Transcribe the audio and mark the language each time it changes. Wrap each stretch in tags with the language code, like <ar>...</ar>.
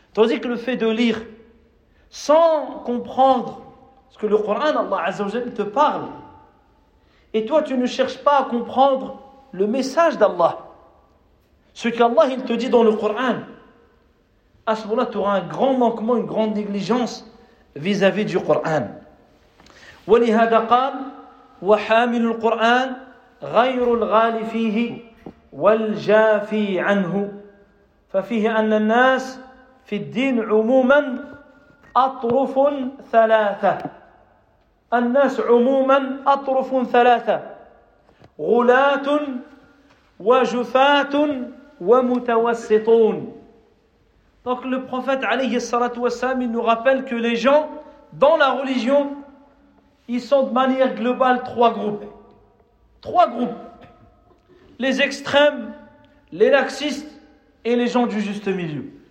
<fr>Tandis que le fait de lire sans comprendre ce que le Coran, Allah Azza wa Jalla, te parle. Et toi, tu ne cherches pas à comprendre le message d'Allah. Ce qu'Allah, il te dit dans le Coran. À ce moment-là, tu auras un grand manquement, une grande négligence vis-à-vis du Coran.</fr> <ar>وَلِهَذَا قَالْ وَحَامِلُ الْقُرْآنِ غَيْرُ الْغَالِ فِيهِ وَالْجَافِي عَنْهُ فَفِيهِ أَنَّ النَّاسِ فِي الدِّينِ عُمُومًا أطرف ثلاثة الناس عموما أطرف ثلاثة غلاة وجفاة ومتوسطون.</ar> <fr>Donc le prophète</fr> <ar>عليه الصلاة والسلام</ar> <fr>nous rappelle que les gens dans la religion, ils sont de manière globale trois groupes, les extrêmes, les laxistes et les gens du juste milieu.</fr>